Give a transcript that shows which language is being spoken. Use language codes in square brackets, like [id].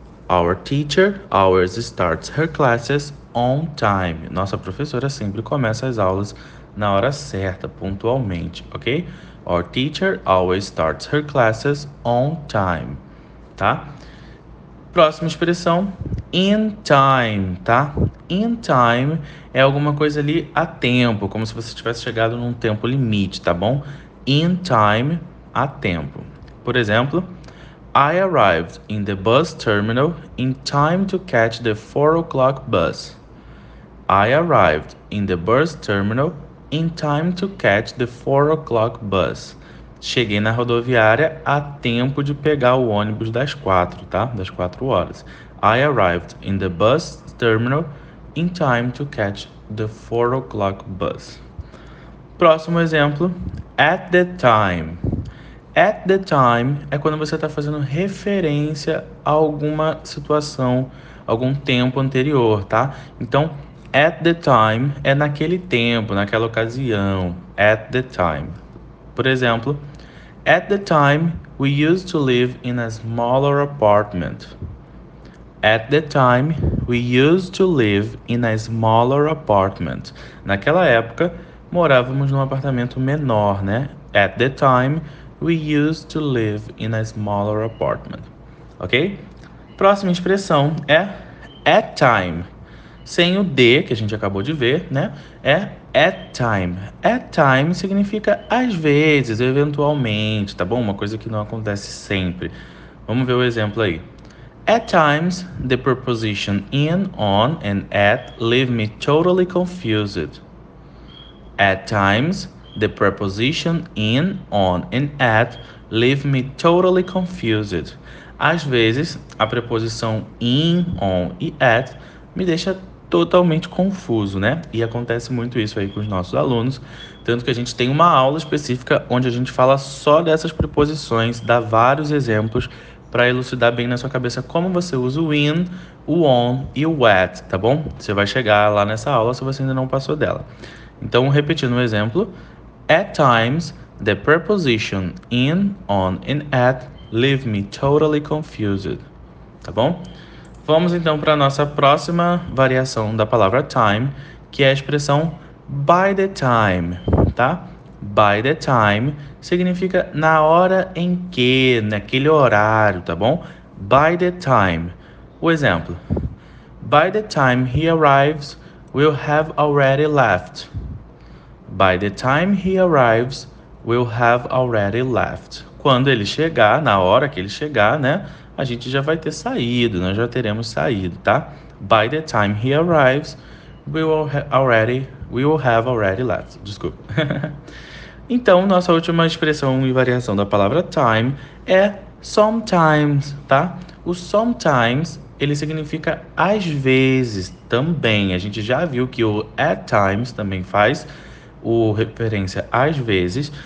[en] Our teacher always starts her classes on time. [pt] Nossa professora sempre começa as aulas na hora certa, pontualmente, ok? [en] Our teacher always starts her classes on time. [pt] Tá? Próxima expressão: [en] in time, [pt] tá? In time é alguma coisa ali a tempo, como se você tivesse chegado num tempo limite, tá bom? [en] In time, [pt] a tempo. Por exemplo: [en] I arrived in the bus terminal in time to catch the 4 o'clock bus. I arrived in the bus terminal in time to catch the 4 o'clock bus. [pt] Cheguei na rodoviária a tempo de pegar o ônibus das 4, tá? Das 4 horas. [en] I arrived in the bus terminal in time to catch the 4 o'clock bus. [pt] Próximo exemplo: [en] at the time. [pt] At the time é quando você está fazendo referência a alguma situação, algum tempo anterior, tá? Então, at the time é naquele tempo, naquela ocasião. [en] At the time. [pt] Por exemplo, [en] at the time we used to live in a smaller apartment. At the time we used to live in a smaller apartment. [pt] Naquela época, morávamos num apartamento menor, né? [en] At the time we used to live in a smaller apartment. Ok? [pt] Próxima expressão é [en] at time. [pt] Sem o D, que a gente acabou de ver, né? É [en] at time. At time [pt] significa às vezes, eventualmente, tá bom? Uma coisa que não acontece sempre. Vamos ver o exemplo aí. [en] At times, the preposition in, on, and at leave me totally confused. At times, the preposition in, on, and at leave me totally confused. [pt] Às vezes, a preposição in, on e at me deixa totalmente confuso, né? E acontece muito isso aí com os nossos alunos. Tanto que a gente tem uma aula específica onde a gente fala só dessas preposições, dá vários exemplos para elucidar bem na sua cabeça como você usa o in, o on e o at, tá bom? Você vai chegar lá nessa aula se você ainda não passou dela. Então, repetindo o exemplo: [en] At times, the preposition in, on and at leave me totally confused. [pt] Tá bom? Vamos então para a nossa próxima variação da palavra time, que é a expressão [en] by the time, [pt] tá? [en] By the time [pt] significa na hora em que, naquele horário, tá bom? [en] By the time. [pt] O exemplo: [en] By the time he arrives, we'll have already left. By the time he arrives, we'll have already left. [pt] Quando ele chegar, na hora que ele chegar, né? A gente já vai ter saído, nós já teremos saído, tá? [en] By the time he arrives, we will have already left. [pt] Desculpa. Então, nossa última expressão e variação da palavra time é sometimes, tá? O sometimes, ele significa às vezes também. A gente já viu que o [en] at times [pt] também faz o referência às vezes.